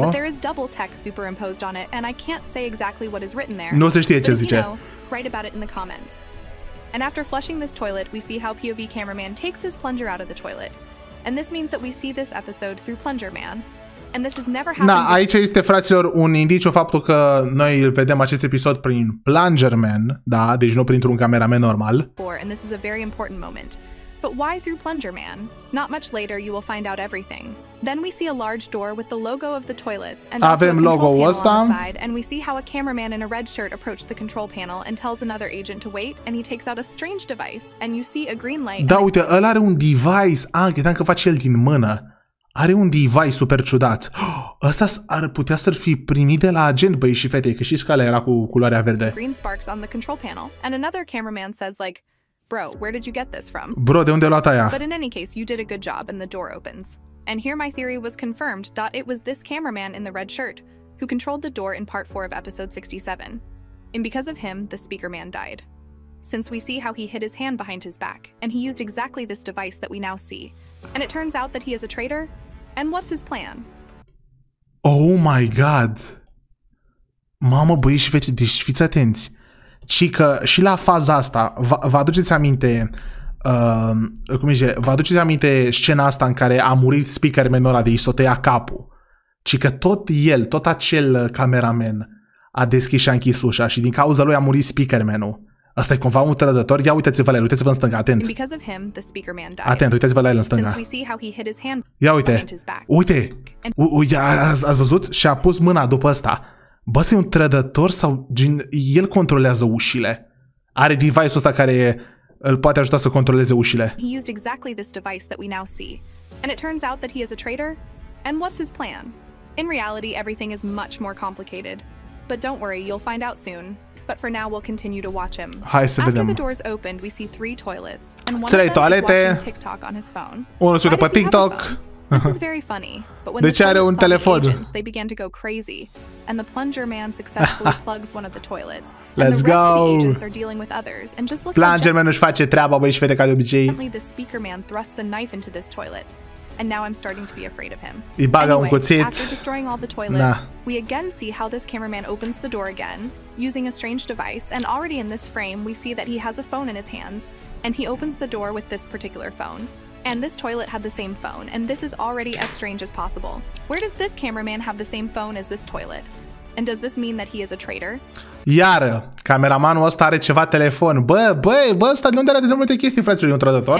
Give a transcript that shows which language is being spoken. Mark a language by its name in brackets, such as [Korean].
[English] But there is double text superimposed on it and I can't say exactly what is written there. [Romanian] Nu se știe ce zice. [English] Write about it in the comments. And after flushing this toilet, we see how POV cameraman takes his plunger out of the toilet. And this means that we see this episode through plunger man. And this has never happened. [Romanian] Na, aici este, fraților, un indiciu faptul că noi îl vedem acest episod prin plunger man, da, deci nu printr-un cameraman normal. [English] And this is a very important moment. But why through plunger man? Not much later you will find out everything. Then we see a large door with the logo of the toilets and [Romanian] avem logo-ul ăsta. [English] And we see how a cameraman in a red shirt approached the control panel and tells another agent to wait and he takes out a strange device and you see a green light. [Romanian] Da, uite, ăla are un device. Ah, credeam că face el din mână. Are un device super ciudat. Oh, ăsta ar putea să-l fi primit de la agent, băi și fete, că știți că ăla era cu culoarea verde. [English] Green sparks on the control panel and another cameraman says like, bro, where did you get this from? [Romanian] Bro, de unde ai luat aia? [English] But in any case, you did a good job and the door opens. And here my theory was confirmed, that it was this cameraman in the red shirt who controlled the door in part 4 of episode 67. And because of him, the speaker man died. Since we see how he hid his hand behind his back, and he used exactly this device that we now see. And it turns out that he is a traitor. And what's his plan? Oh my god! [Romanian] Mamă, băi și fete, deci fiți atenți. Ci că și la faza asta, vă aduceți aminte... cum zice, vă aduceți aminte scena asta în care a murit speakerman ăla de i s-o tăia capul? Ci că tot el, tot acel cameraman a deschis și a închis ușa și din cauza lui a murit speakermanul. Asta e cumva un trădător. Ia uitați-vă la el, uitați-vă în stânga, atent. [English] Him, [Romanian] atent, uitați-vă la el în stânga. Ia uite, uite, ați văzut? Și a pus mâna după ăsta. Bă, ăsta e un trădător sau el controlează ușile? Are device-ul ăsta care e îl poate ajuta să controleze ușile. [English] He used exactly this device that we now see. And it turns out that he is a traitor. And what's his plan? In reality, everything is much more complicated. But don't worry, you'll find out soon. But for now, we'll continue to watch him. [Romanian] Hai să vedem. [English] After the doors opened, we see three toilets. And one of them is watching TikTok on his phone. [Romanian] Unul se uită pe TikTok. [English] This is very funny. But when the toilets saw the agents, they began to go crazy. And the plunger man successfully plugs one of the toilets. Let's go. And the rest of the agents are dealing with others. And just look [Romanian] plunger man își face treaba, băi și fete, ca de obicei. [English] Apparently the speaker man thrusts a knife into this toilet. And now I'm starting to be afraid of him. [Romanian] Îi bagă un cuțit. [English] After destroying all the toilets, we again see how this cameraman opens the door again, using a strange device. And already in this frame, we see that he has a phone in his hands. And he opens the door with this particular phone. And this toilet had the same phone, and this is already as strange as possible. Where does this cameraman have the same phone as this toilet? And does this mean that he is a traitor? [Romanian] Iară, cameramanul ăsta are ceva telefon. Bă, băi, bă, ăsta de unde are atât de multe chestii, fraților, e un trădător?